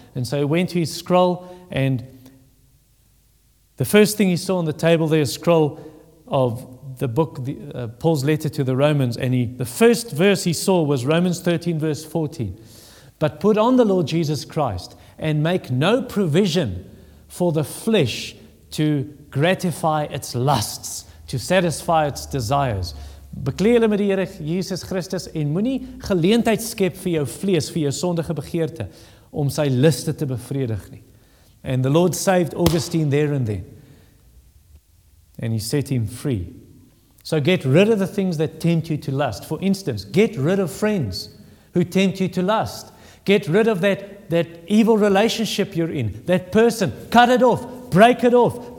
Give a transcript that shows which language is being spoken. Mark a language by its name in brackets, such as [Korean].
[English] And so he went to his scroll, and the first thing he saw on the table there, a scroll of the book, Paul's letter to the Romans, and the first verse he saw was Romans 13, verse 14. But put on the Lord Jesus Christ, and make no provision for the flesh to gratify its lusts, to satisfy its desires. [Afrikaans] Beklee hulle met die Here Jesus Christus en moenie geleentheid skep vir jou vlees, vir jou sondige begeerte, om sy liste te bevredig nie. [English] And the Lord saved Augustine there and then. And he set him free. So get rid of the things that tempt you to lust. For instance, get rid of friends who tempt you to lust. Get rid of that evil relationship you're in, that person. Cut it off. Break it off.